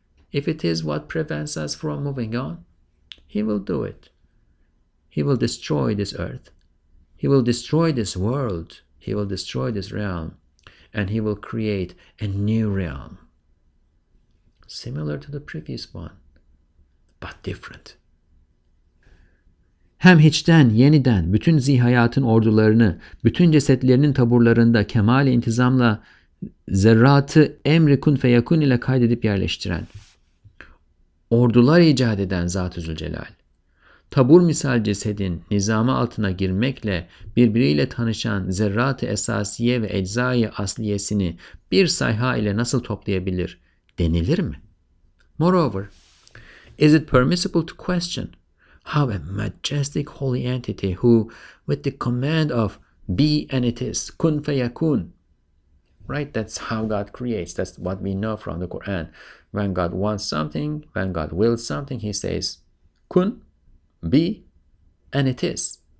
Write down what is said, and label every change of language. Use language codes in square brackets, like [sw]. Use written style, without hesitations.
[en] If it is what prevents us from moving on, he will do it. He will destroy this earth. He will destroy this world. He will destroy this realm. And he will create a new realm, similar to the previous one, but different. [tr] Hem hiçten yeniden bütün zihayatın ordularını, bütün cesetlerinin taburlarında kemal-i intizamla zerratı emri kun feyakun ile kaydedip yerleştiren, ordular icat eden Zat-ı Zülcelal, tabur misal cesedin nizamı altına girmekle birbiriyle tanışan zerrat-ı esasiye ve eczai asliyesini bir sayha ile nasıl toplayabilir denilir mi? [en] Moreover, is it permissible to question how a majestic holy entity who, with the command of be and it is, [ar] kun feyakun, [en] right? That's how God creates. That's what we know from the Quran. When God wants something, when God wills something, he says, kun, be, and it is.